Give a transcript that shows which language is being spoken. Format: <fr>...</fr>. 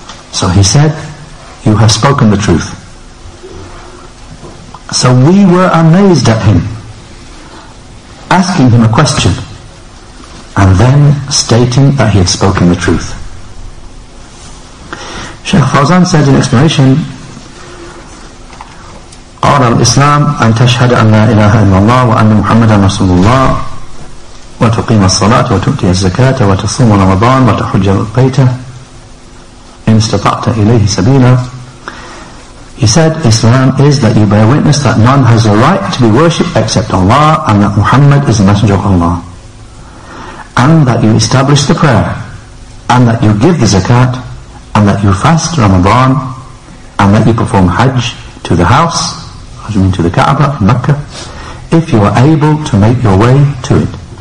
<en>So he said, you have spoken the truth. So we were amazed at him, asking him a question, and then stating that he had spoken the truth. Shaykh Fawzan said in explanation,</en> <ar>قال الإسلام أن تشهد أن لا إله إلا الله وأن محمدا رسول الله وتقيم الصلاة وتؤتي الزكاة وتصوم رمضان وتحج البيت إن استطعت إليه سبيلا.</ar> <en>He said, Islam is that you bear witness that none has a right to be worshipped except Allah, and that Muhammad is the Messenger of Allah, and that you establish the prayer, and that you give the zakat, and that you fast Ramadan, and that you perform Hajj to the house, as you mean to the Kaaba in Mecca, if you are able to make your way to it.</en>